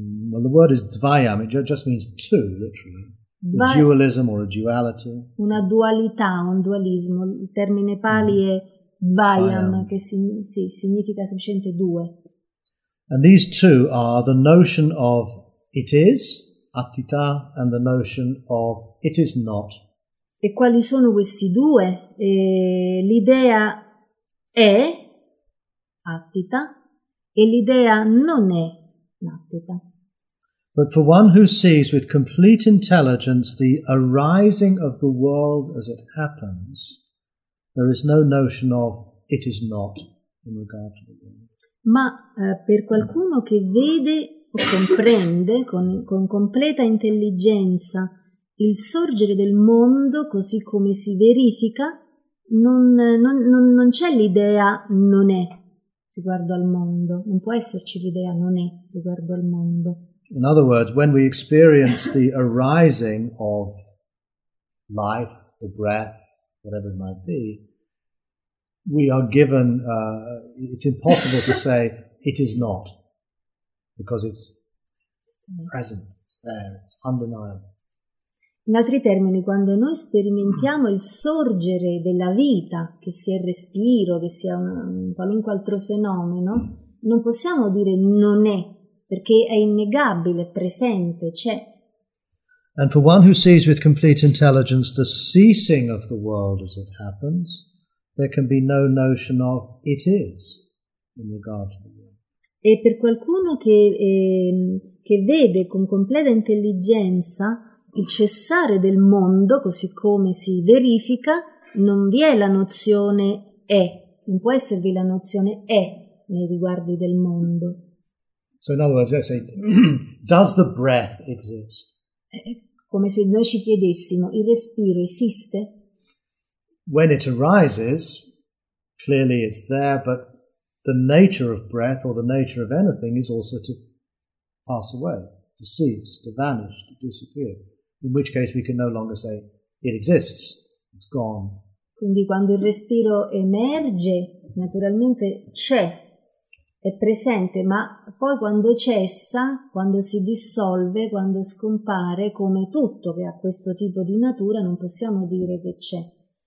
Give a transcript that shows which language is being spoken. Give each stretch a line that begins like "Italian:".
English: Well, the word is dvayam, it just means two, literally. Dualism or a duality.
Italian: Una dualità, un dualismo. Il termine pali è dvayam, che significa semplicemente due.
English: And these two are the notion of it is, attita, and the notion of it is not.
Italian: E quali sono questi due? L'idea è, attita, e l'idea non è, attita.
English: But for one who sees with complete intelligence the arising of the world as it happens, There is no notion of it is not in regard to the world.
Italian: Ma per qualcuno che vede o comprende con completa intelligenza il sorgere del mondo così come si verifica, non c'è l'idea non è riguardo al mondo, non può esserci l'idea non è riguardo al mondo.
English: In other words, when we experience the arising of life, the breath, whatever it might be, we are given, it's impossible to say it is not, because it's present, it's there, it's undeniable.
Italian: In altri termini, quando noi sperimentiamo il sorgere della vita, che sia il respiro, che sia un qualunque altro fenomeno, non possiamo dire non è, perché è innegabile, è presente, c'è.
English: And for one who sees with complete intelligence the ceasing of the world as it happens, there can be no notion of it is in regard to the world.
Italian: E per qualcuno che vede con completa intelligenza il cessare del mondo così come si verifica, non vi è la nozione è, non può esservi la nozione è nei riguardi del mondo.
English: So in other words, let's say, does the breath exist?
Italian: Come se noi ci chiedessimo, il respiro esiste?
English: When it arises, clearly it's there, but the nature of breath or the nature of anything is also to pass away, to cease, to vanish, to disappear. In which case we can no longer say it exists, it's gone.
Italian: Quindi quando il respiro emerge, naturalmente c'è, è presente, ma poi quando cessa, quando si dissolve, quando scompare, come tutto che ha questo tipo di natura, non possiamo dire che c'è.